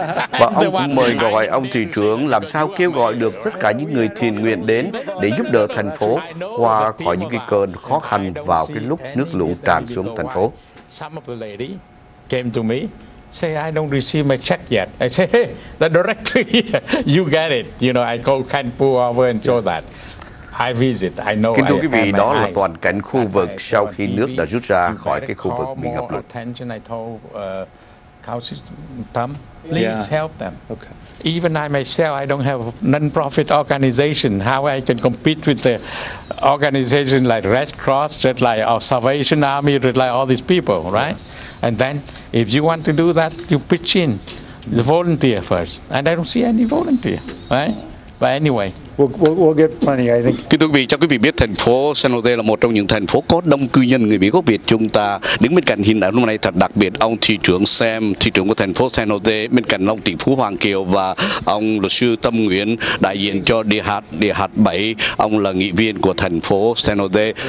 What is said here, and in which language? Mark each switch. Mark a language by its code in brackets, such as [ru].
[vi] Và ông cũng mời gọi ông thị trưởng làm sao kêu gọi được tất cả những người thiện nguyện đến để giúp đỡ thành phố qua khỏi những cái cơn khó khăn vào cái lúc nước lũ tràn xuống thành phố. [en] Some of the lady came to me, say I don't receive my check yet. I say, hey, the director here, you get it. You know, I call Ken Poo over and show that. I visit, I know. [vi] Kính thưa quý vị, đó là toàn cảnh khu vực sau khi nước đã rút ra khỏi cái khu vực bị ngập lụt. [en] Even I myself, I don't have non-profit organization. How I can compete with the organization like Red Cross, Red Light, or Salvation Army, Red Light, all these people, right? And then, if you want to do that, you pitch in, the volunteer first. And I don't see any volunteer, right? But anyway. We'll get plenty, I think. [vi] Kính thưa quý vị, cho quý vị biết thành phố San Jose là một trong những thành phố có đông cư dân người Mỹ gốc Việt. Chúng ta đứng bên cạnh hình ảnh hôm nay thật đặc biệt, ông thị trưởng Sam, thị trưởng của thành phố San Jose, bên cạnh ông tỷ phú Hoàng Kiều và ông luật sư Tâm Nguyễn đại diện cho DH7, ông là nghị viên của thành phố San Jose.